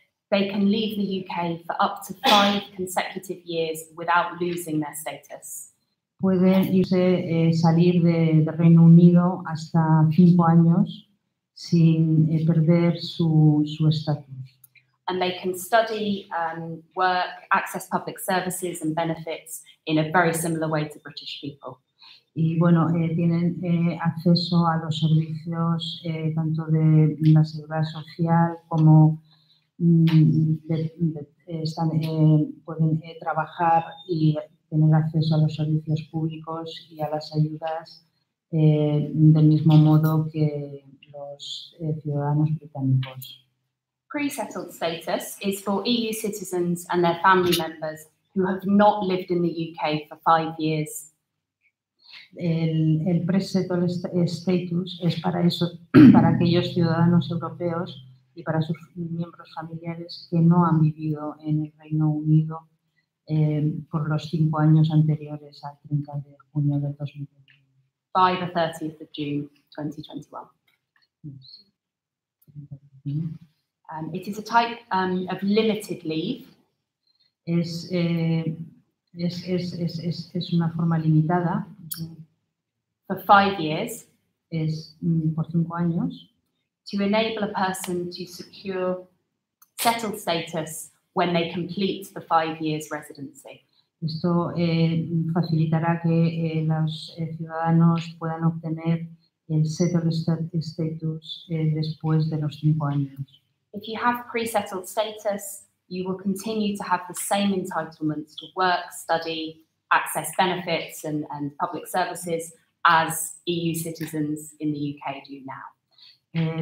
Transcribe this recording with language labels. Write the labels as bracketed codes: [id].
[en] They can leave the UK for up to 5 consecutive years without losing their status. [es] Pueden irse salir de Reino Unido hasta 5 años sin perder su estatus. [en] And they can study, work, access public services and benefits in a very similar way to British people. [es] Y bueno, tienen acceso a los servicios tanto de la seguridad social como pueden trabajar y tener acceso a los servicios públicos y a las ayudas del mismo modo que los ciudadanos británicos. [en] Pre-settled status is for EU citizens and their family members who have not lived in the UK for 5 years. [es] el pre-settled status es para eso, para aquellos ciudadanos europeos y para sus miembros familiares que no han vivido en el Reino Unido por los 5 años anteriores al 30 de junio de 2021. [en] By the 30th of June 2021. It is a type of limited leave. [es] Es una forma limitada. [en] For 5 years. [es] Es por 5 años. [en] To enable a person to secure settled status when they complete the 5 years residency. [es] Esto facilitará que los ciudadanos puedan obtener el settled status después de los 5 años. [en] If you have pre-settled status, you will continue to have the same entitlements to work, study, access benefits and public services as EU citizens in the UK do now.